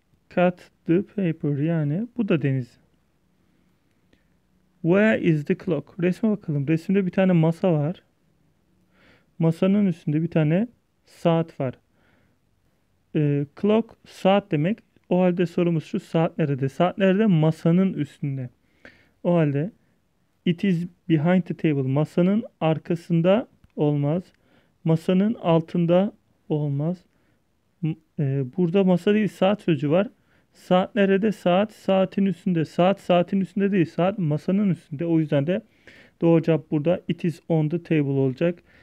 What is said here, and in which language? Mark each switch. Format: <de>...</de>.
<tr>Cut the paper, yani bu da Denizli.</tr> <en>Where is the clock?</en> <tr>Resme bakalım. Resimde bir tane masa var. Masanın üstünde bir tane saat var. Clock saat demek. O halde sorumuz şu: saat nerede? Saat nerede? Masanın üstünde. O halde</tr> <en>it is behind the table.</en> <tr>Masanın arkasında olmaz. Masanın altında olmaz. Burada masa değil, saat sözcüğü var. Saat nerede? Saat saatin üstünde. Saat saatin üstünde değil. Saat masanın üstünde. O yüzden de doğru cevap burada</tr> <en>it is on the table</en> <tr>olacak.</tr>